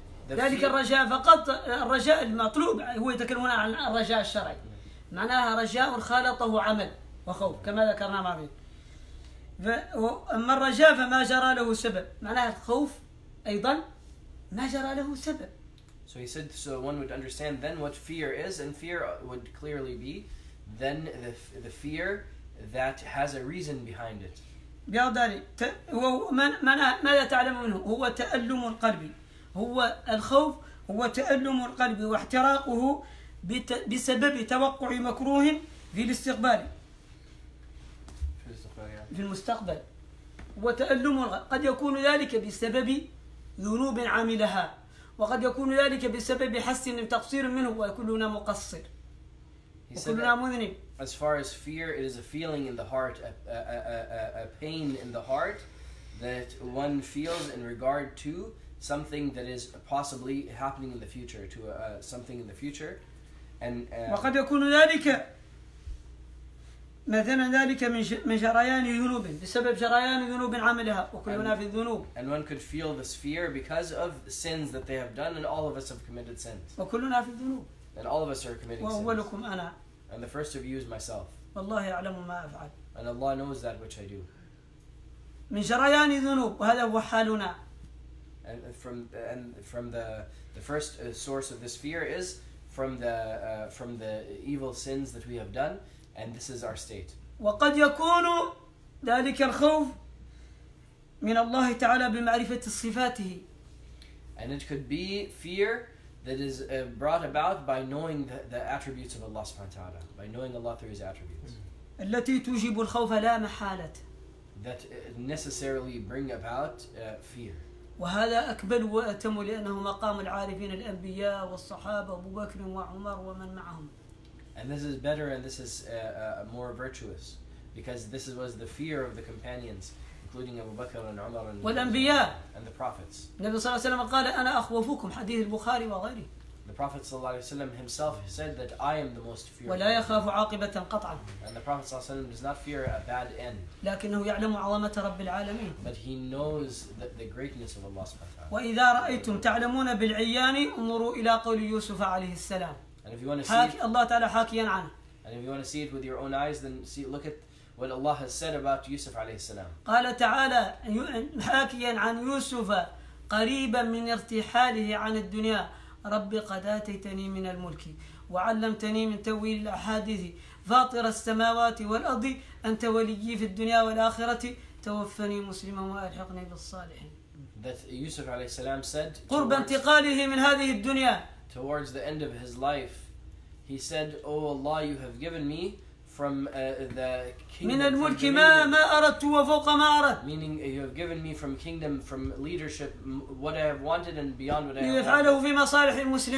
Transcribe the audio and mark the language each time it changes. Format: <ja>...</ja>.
<ar>ذلك الرجاء فقط الرجاء المطلوب هو يتكلمون عن الرجاء الشرعي معناها رجاء خالطه عمل وخوف كما ذكرنا معه أما الرجاء فما جرى له سبب معناها الخوف أيضا ما جرى له سبب</ar> <en>So he said, so one would understand then what fear is, and fear would clearly be then the fear that has a reason behind it.</en> <ar>ماذا تعلم منه؟ هو تألم القلب. هو الخوف هو تألم القلب واحتراقه بسبب توقع مكروه في الاستقبال. في المستقبل. هو تألم قد يكون ذلك بسبب ذنوب عاملها. وقد يكون ذلك بسبب حسن تقصير منه وكلنا مقصر وكلنا مذنب</ar> <en>As far as fear, it is a feeling in the heart, a pain in the heart that one feels in regard to something that is possibly happening in the future, to something in the future. And</en> <ar>وقد يكون ذلك مثلا ذلك من جريان ذنوب بسبب جريان ذنوب عملها وكلنا في الذنوب</ar> <en>and one could feel this fear because of the sins that they have done and all of us have committed sins</en> <ar>وكلنا في الذنوب</ar> <en>and all of us are committing sins</en> <ar>وأولكم أنا</ar> <en>and the first of you is myself</en> <ar>والله يعلم ما أفعل</ar> <en>and Allah knows that which I do</en> <ar>من جريان ذنوب وهذا هو حالنا</ar> <en>and from the first source of this fear is from the evil sins that we have done And this is our state.</en> <ar>وقد يكون ذلك الخوف من الله تعالى بمعرفة صفاته.</ar> <en>And it could be fear that is brought about by knowing the attributes of Allah</en> <ar>سبحانه وتعالى,</ar> <en>by knowing Allah through His attributes.</en> <ar>التي توجب الخوف لا محالة.</ar> <en>That necessarily bring about fear.</en> <ar>وهذا أكبر وأتم لأنه مقام العارفين الأنبياء والصحابة أبو بكر وعمر ومن معهم.</ar> <en>And this is better and this is more virtuous because this was the fear of the companions including Abu Bakr and Umar and the prophets.</en> <ar>النبي صلى الله عليه وسلم قال أنا أخوفكم حديث البخاري وغيره.</ar> <en>The Prophet</en> <ar>صلى الله عليه وسلم</ar> <en>himself said that I am the most fearful.</en> <ar>ولا يخاف عاقبة قطعا.</ar> <en>And the Prophet</en> <ar>صلى الله عليه وسلم</ar> <en>does not fear a bad end.</en> <ar>لكنه يعلم عظمة رب العالمين.</ar> <en>But he knows the greatness of Allah</en> <ar>سبحانه وتعالى. وإذا رأيتم تعلمون بالعيان انظروا إلى قول يوسف عليه السلام.</ar> <en>And if you want to see it,</en> <ar>الله تعالى حاكيا عنه.</ar> <en>And if you want to see it with your own eyes, then see, look at what Allah has said about Yusuf</en> <ar>عليه السلام. قال تعالى حاكيا عن يوسف قريبا من ارتحاله عن الدنيا رب قد آتيتني من الملك وعلمتني من تأويل الأحاديث فاطر السماوات والأرض أنت ولي في الدنيا والآخرة توفني مسلما وألحقني بالصالحين.</ar> <en>That Yusuf</en> <ar>عليه السلام</ar> <en>said.</en> <ar>قرب انتقاله من هذه الدنيا.</ar> <en>Towards the end of his life, he said, "O Allah, you have given me from the kingdom." Meaning, you have given me from kingdom, from leadership, what I have wanted and beyond what I have wanted. So</en>